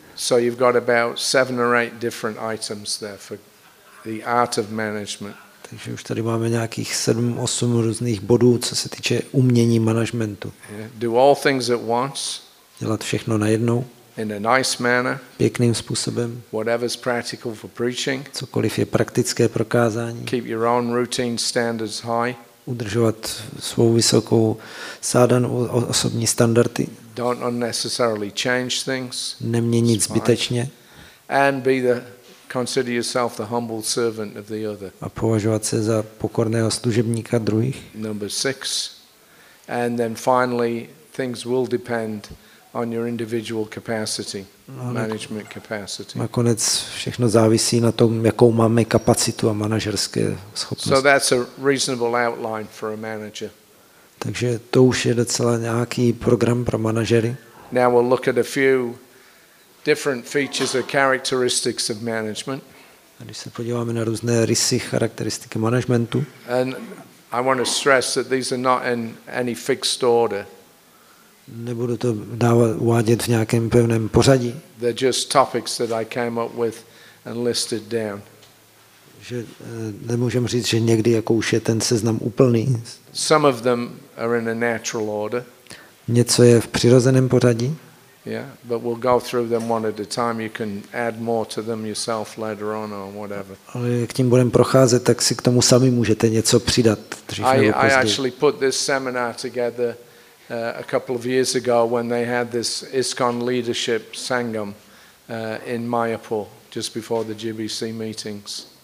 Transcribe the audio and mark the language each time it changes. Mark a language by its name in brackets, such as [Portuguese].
[English] So you've got about seven or eight different items there for the art of management. [Czech] Takže už tady máme nějakých 7-8 různých bodů, co se týče umění managementu. [English] Do all things at once. [Czech] Dělat všechno najednou. [English] In a nice manner. [Czech] Pěkným způsobem. [English] Whatever's practical for preaching. [Czech] Cokoliv je praktické pro kázání. [English] Keep your own routine standards high. [Czech] Udržovat svou vysokou sádan osobní standardy. [English] Don't unnecessarily change things. [Czech] Neměnit zbytečně. [English] And be the consider yourself the humble servant of the other. [Czech] A považovat se za pokorného služebníka druhých. [English] Number 6. And then finally things will depend on your individual capacity, management capacity. [Czech] Nakonec všechno závisí na tom, jakou máme kapacitu a manažerské schopnosti. [English] So that's a reasonable outline for a manager. [Czech] Takže to už je docela nějaký program pro manažery. [English] Now we'll look at a few different features or characteristics of management. [Czech] A když se podíváme na různé rysy, charakteristiky managementu. [English] And I want to stress that these are not in any fixed order. [Czech] Nebudu to dávat uvádět v nějakém pevném pořadí. [English] They're just topics that I came up with and listed down. [Czech] Že nemůžem říct, že někdy jako už je ten seznam úplný. [English] Some of them are in a natural order. [Czech] Něco je v přirozeném pořadí. [English] Yeah, but we'll go through them one at a time. You can add more to them yourself later on or whatever. [Czech] Ale k tím budem procházet, tak si k tomu sami můžete něco přidat dřív nebo později. [English] I actually put this seminar together a couple of years ago when they had this ISKCON leadership sangam in Mayapur just before the GBC meetings.